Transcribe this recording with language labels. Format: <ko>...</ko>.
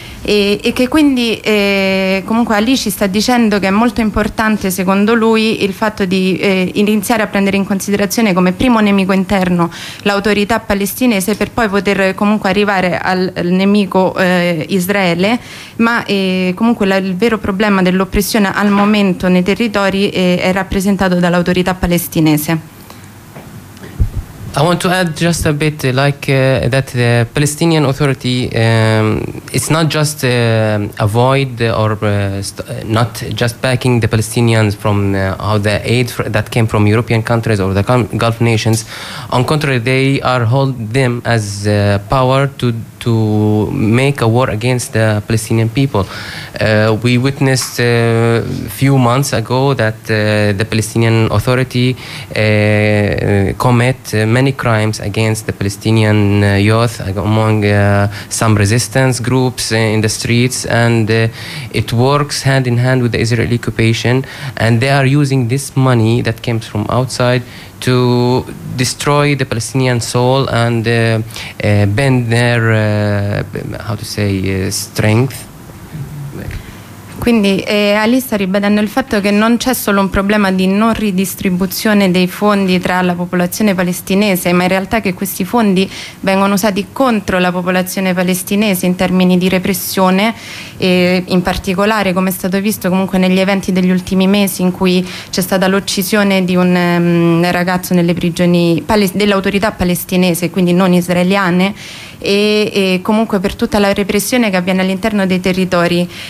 <it>E che quindi comunque Ali ci sta dicendo che è molto importante secondo lui il fatto di iniziare a prendere in considerazione come primo nemico interno l'autorità palestinese per poi poter comunque arrivare al nemico Israele, ma comunque il vero problema dell'oppressione al momento nei territori è rappresentato dall'autorità palestinese.</it> <en>I want to add just a bit, like that the Palestinian Authority, it's not just avoid or not just backing the Palestinians from all the aid that came from European countries or the Gulf nations. On contrary, they are hold them as power to make a war against the Palestinian people. We witnessed a few months ago that the Palestinian Authority commit many crimes against the Palestinian youth among some resistance groups in the streets, and it works hand in hand with the Israeli occupation, and they are using this money that comes from outside to destroy the Palestinian soul and bend their strength.</en> <it>Quindi Ali sta ribadendo il fatto che non c'è solo un problema di non ridistribuzione dei fondi tra la popolazione palestinese, ma in realtà che questi fondi vengono usati contro la popolazione palestinese in termini di repressione, e in particolare come è stato visto comunque negli eventi degli ultimi mesi in cui c'è stata l'uccisione di un ragazzo nelle prigioni dell'autorità palestinese, quindi non israeliane, e comunque per tutta la repressione che avviene all'interno dei territori.</it>